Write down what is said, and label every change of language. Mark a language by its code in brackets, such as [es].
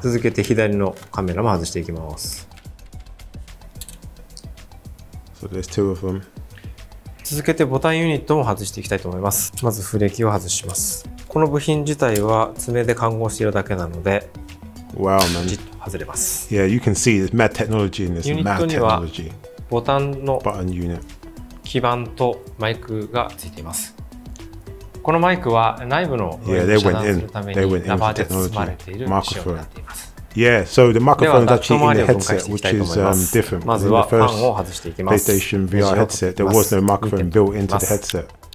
[ja] 続けて左のカメラも外していきます。 [en] So there's two of them. [ja] 続けてボタンユニットも外していきたいと思います。まずフレキを外します。この部品自体は爪で環合しているだけなので、 [en] Wow, man. [ja] 外れます。 [en] Yeah, you can see there's mad technology in this. [ja] ボタンの基板とマイクがついています。 [en] Yeah, so the microphone is actually in the headset, which is different. In the first PlayStation VR headset, there was no microphone built into the headset.